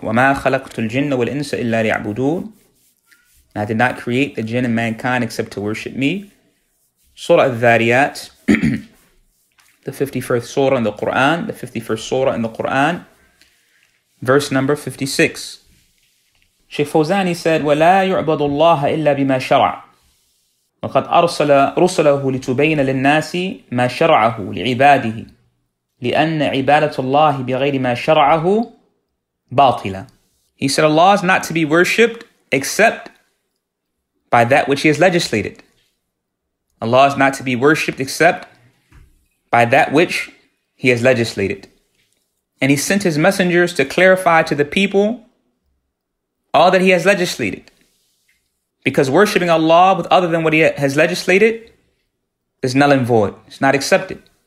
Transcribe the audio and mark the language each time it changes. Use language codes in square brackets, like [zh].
[ar] وَمَا خَلَقْتُ الْجِنَّ وَالْإِنسَ إِلَّا لِيَعْبُدُونَ. [en] I did not create the jinn and mankind except to worship me. Surah Al-Dhariyat, the 51st surah in the Qur'an, the 51st surah in the Qur'an, verse number 56. Sheikh Fawzani said, [ar] وَلَا يُعْبَدُ اللَّهَ إِلَّا بِمَا شَرَعَ وَقَدْ أَرْسَلَ رُسُلَهُ لِتُبَيْنَ لِلنَّاسِ مَا شَرَعَهُ لِعِبَادِهِ لِأَنَّ عِبَادَةُ اللَّهِ بِغَيْرِ مَا شَرَعَهُ بَاطِلًا. [en] He said, Allah is not to be worshipped except by that which He has legislated. Allah is not to be worshipped except by that which He has legislated. And He sent His messengers to clarify to the people all that he has legislated. Because worshipping Allah with other than what he has legislated is null and void. It's not accepted.